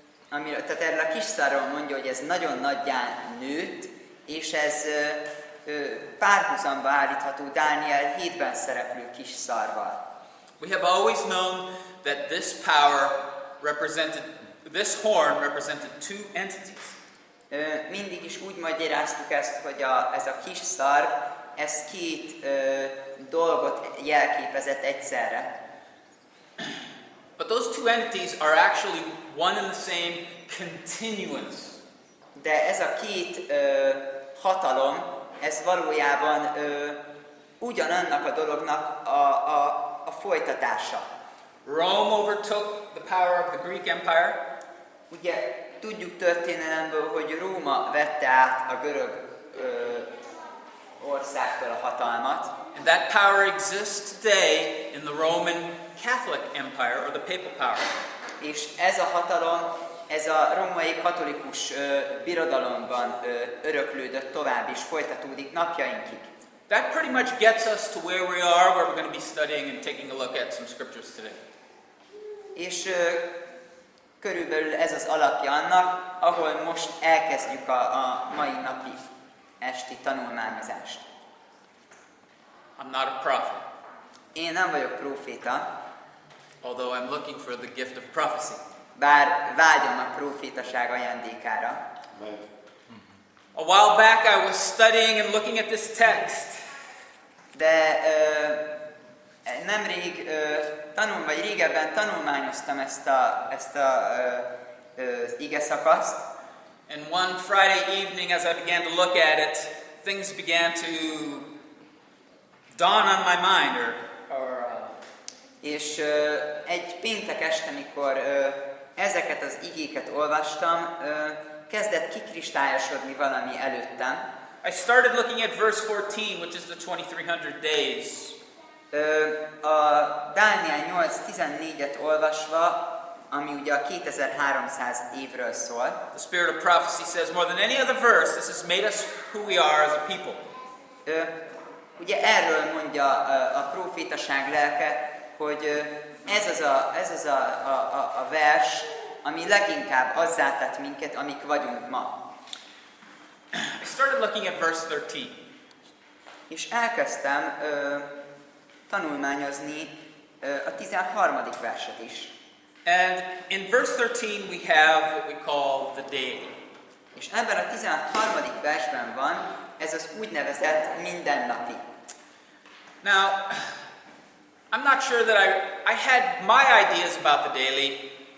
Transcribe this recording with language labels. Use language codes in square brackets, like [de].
[hu] Ami tehát erről a kis szarról mondja, hogy ez nagyon nagyjá nőtt, és ez párhuzamba állítható Dániel 7-ben szereplő kis szarval. [en] We have always known that this power represented, this horn represented two entities. [hu] Mindig is úgy magyaráztuk ezt, hogy ez a kis szarv, ez két dolgot jelképezett egyszerre. [en] But those two entities are actually one and the same continuous. [hu] De ez a két hatalom, ez valójában ugyanannak a dolognak a folytatása. [en] Rome overtook the power of the Greek Empire. [hu] Ugye tudjuk történelemből, hogy Róma vette át a görög országtól a hatalmat. [en] And that power exists today in the Roman Catholic Empire or the Papal Power. [hu] És ez a hatalom, ez a római katolikus birodalomban öröklődött tovább is, folytatódik napjainkig. [en] That pretty much gets us to where we are, where we're going to be studying and taking a look at some scriptures today. [hu] És körülbelül ez az alapja annak, ahol most elkezdjük a mai napi esti tanulmányozást. [en] I'm not a prophet. [hu] Én nem vagyok proféta. [en] Although I'm looking for the gift of prophecy. [hu] Bár vágyom a prófétaság ajándékára. [en] A while back I was studying and looking at this text. [hu] De nemrég régebben tanulmányoztam ezt az ige szakaszt. [en] And one Friday evening as I began to look at it, things began to dawn on my mind. [hu] És egy péntek este, mikor ezeket az igéket olvastam, kezdett kikristályosodni valami előttem. [en] I started looking at verse 14, which is the 2300 days. [hu] A Dániel 8:14-et olvasva, ami ugye a 2300 évről szól. [en] The spirit of prophecy says more than any other verse, this has made us who we are as a people. [hu] Ugye erről mondja a prófétaság lelke, hogy ez az a vers, ami leginkább azzá tett minket, amik vagyunk ma. [en] I started looking at verse 13. [hu] És elkezdtem tanulmányozni a 13. verset is. [en] And in verse 13 we have what we call the daily. [hu] És ebben a 13. versben van ez az úgynevezett mindennapi. [en] Now, I'm not sure that I had my ideas about the daily.